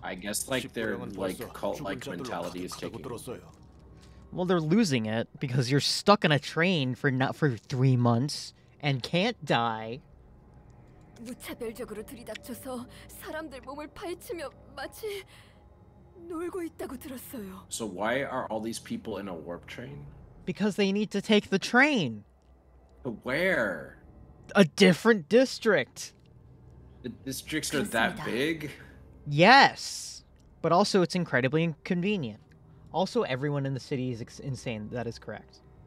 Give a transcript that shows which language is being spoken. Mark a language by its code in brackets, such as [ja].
[en] I guess like their like cult-like mentality is taking. Well, they're losing it because you're stuck in a train for not for 3 months and can't die. [ko] 무차별적으로 들이닥쳐서 사람들 몸을 파헤치며 마치 놀고 있다고 들었어요. [en] So why are all these people in a warp train? Because they need to take the train. But where? A different district. The districts are that big? Yes. But also it's incredibly inconvenient. Also everyone in the city is insane. That is correct.